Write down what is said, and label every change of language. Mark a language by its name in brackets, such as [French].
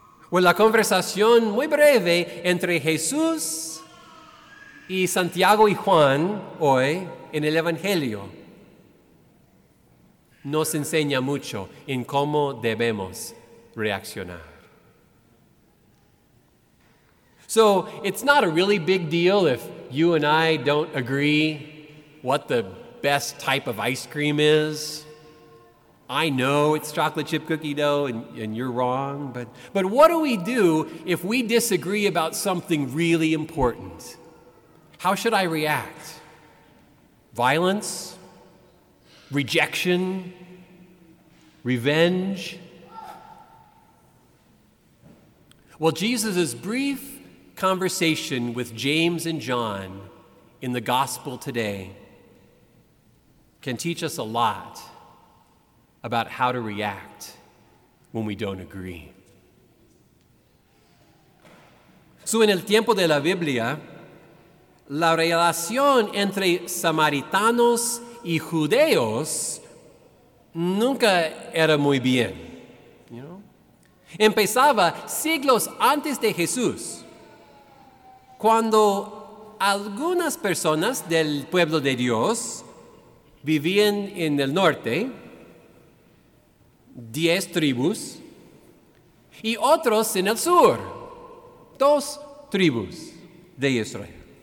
[Spanish] Bueno, la conversación muy breve entre Jesús y Santiago y Juan hoy en el Evangelio nos enseña mucho en cómo debemos reaccionar. [English] So, it's not a really big deal if you and I don't agree what the best type of ice cream is. I know it's chocolate chip cookie dough and you're wrong, but what do we do if we disagree about something really important? How should I react? Violence? Rejection? Revenge? Well, Jesus is brief conversation with James and John in the gospel today can teach us a lot about how to react when we don't agree. [Spanish] So en el tiempo de la Biblia, la relación entre samaritanos y judeos nunca era muy bien. [English] You know? [Spanish] Empezaba siglos antes de Jesús, cuando algunas personas del pueblo de Dios vivían en el norte, 10 tribus, y otros en el sur, 2 tribus de Israel.